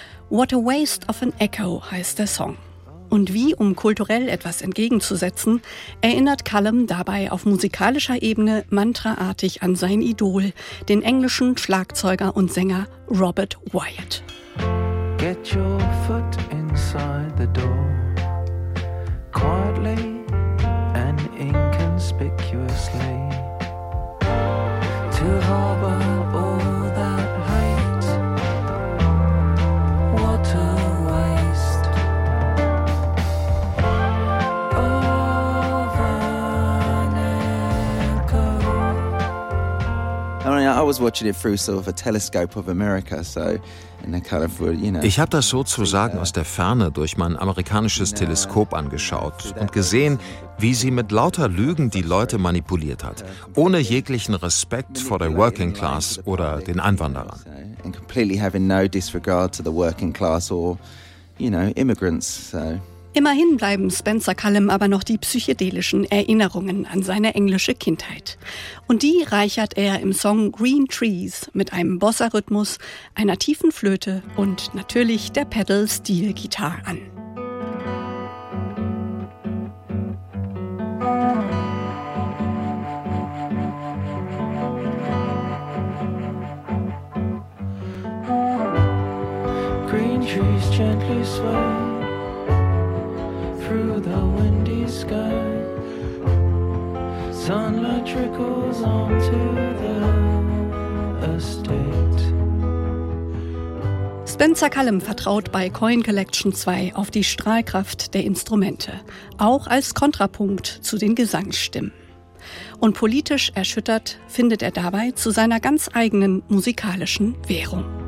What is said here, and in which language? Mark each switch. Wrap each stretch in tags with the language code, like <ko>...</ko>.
<de>What a waste of an echo heißt der Song. Und wie, um kulturell etwas entgegenzusetzen, erinnert Cullum dabei auf musikalischer Ebene mantraartig an sein Idol, den englischen Schlagzeuger und Sänger Robert Wyatt.</de> <en>Get your foot inside the door, quietly and inconspicuously, to harbor all that hate. What a waste of an echo. I mean, I was watching it through sort of a telescope of America, so.</en> <de>Ich habe das sozusagen aus der Ferne durch mein amerikanisches Teleskop angeschaut und gesehen, wie sie mit lauter Lügen die Leute manipuliert hat, ohne jeglichen Respekt vor der Working Class oder den Einwanderern.</de> <en>And completely having no disregard to the working class or, you know, immigrants. So.</en> <de>Immerhin bleiben Spencer Cullum aber noch die psychedelischen Erinnerungen an seine englische Kindheit. Und die reichert er im Song Green Trees mit einem Bossa-Rhythmus, einer tiefen Flöte und natürlich der Pedal-Steel-Gitarre an.</de> <en>Green trees gently sway through the windy sky, sunlight trickles onto the estate.</en> <de>Spencer Cullum vertraut bei Coin Collection 2 auf die Strahlkraft der Instrumente, auch als Kontrapunkt zu den Gesangsstimmen. Und politisch erschüttert findet er dabei zu seiner ganz eigenen musikalischen Währung.</de>